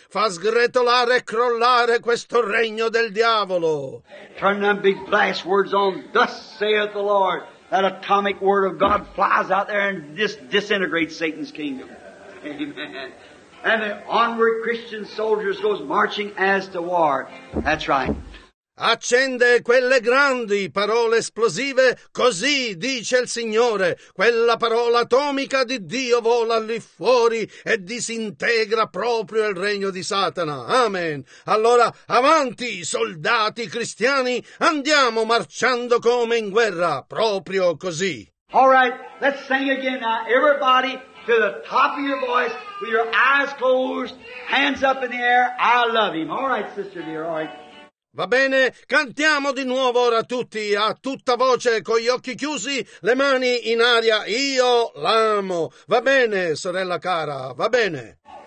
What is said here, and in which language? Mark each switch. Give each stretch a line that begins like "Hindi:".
Italian: Fa sgretolare e crollare questo regno del diavolo.
English: Turn them big blast words on. Thus saith the Lord. That atomic word of God flies out there and disintegrates Satan's kingdom. Amen. And the onward Christian soldiers goes marching as to war. That's right.
Italian: Accende quelle grandi parole esplosive, così dice il Signore. Quella parola atomica di Dio vola lì fuori e disintegra proprio il regno di Satana. Amen. Allora, avanti, soldati cristiani, andiamo marciando come in guerra, proprio così.
English: All right, let's sing again now, everybody. To the top of your voice, with your eyes closed, hands up in the air, I love him. All right, sister dear, all right.
Italian: Va bene, cantiamo di nuovo ora tutti, a tutta voce, con gli occhi chiusi, le mani in aria, io l'amo. Va bene, sorella cara, va bene.